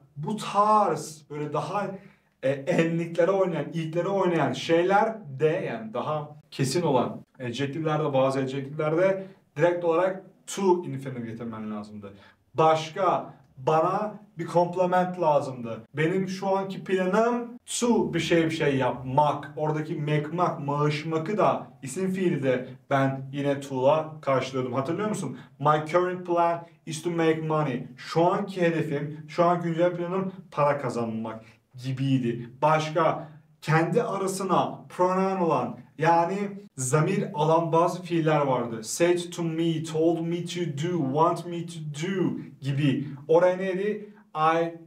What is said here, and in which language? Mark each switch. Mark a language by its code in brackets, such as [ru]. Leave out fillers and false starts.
[tr] Bu tarz böyle daha enliklere oynayan, ilklere oynayan şeyler de, yani daha kesin olan ejectivelerde, bazı ejectivelerde direkt olarak to infinitive getirmen lazımdı. Başka bana bir komplement lazımdı. Benim şu anki planım to bir şey yapmak. Oradaki maaşmakı da isim fiili de ben yine to'la karşılıyordum. Hatırlıyor musun? [en] My current plan is to make money. [tr] Şu anki hedefim, şu an güncel planım para kazanmak gibiydi. Başka kendi arasına pronoun olan, yani zamir alan bazı fiiller vardı. [en] Said to me, told me to do, [tr] want me to do gibi. Oraya neydi? I